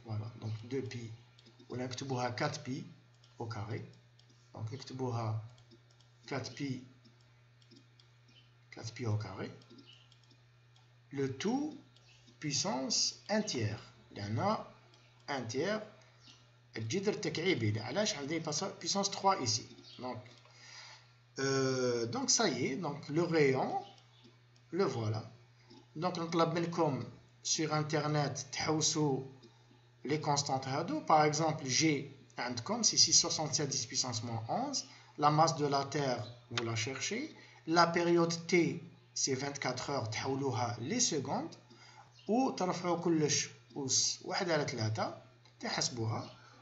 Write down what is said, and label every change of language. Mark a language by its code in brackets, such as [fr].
[fr] Voilà, donc 2pi, on a 4pi au carré. Donc, on a 4pi au carré. Le tout puissance 1 tiers. Il y en a 1 tiers. [ar] الجدر التكعيبي علاش عندي [fr] puissance 3 ici. Donc ça y est, donc le rayon le voilà. [ar] Donc نطلب منكم [fr] sur internet [ar] تحوسوا [fr] les constantes [ar] هادو. [fr] Par exemple G عندكم c'est 6 × 67 × 10⁻¹. La masse de la Terre, vous la cherchez. La période T c'est 24 heures, [ar] تحولوها [fr] les secondes ou [ar] ترفعوا كلش اوس 1 على 3 تحسبوها.